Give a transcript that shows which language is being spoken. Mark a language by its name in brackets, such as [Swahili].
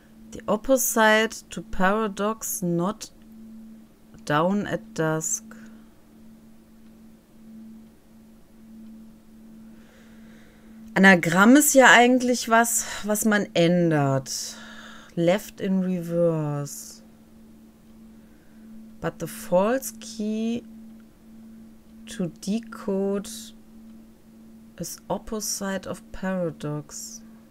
[English] The opposite to paradox not down at dusk. [German] Anagramm ist ja eigentlich was, was man ändert. [English] Left in reverse. But the false key to decode is opposite of paradox.